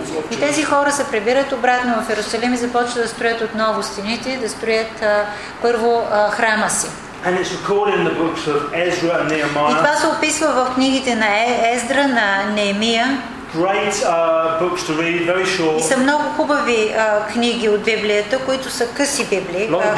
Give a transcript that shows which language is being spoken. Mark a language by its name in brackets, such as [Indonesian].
[Bulgarian] И тези хора се прибират обратно в Ерусалим и започват да строят отново стените, да строят първо храма си. [English] And it's recorded in the books of Ezra and Nehemiah. [Bulgarian] И това се описва в книгите на Ездра, на Неемия. [English] Great books to read, very short. [Bulgarian] И са много хубави книги от Библията, които са къси библии.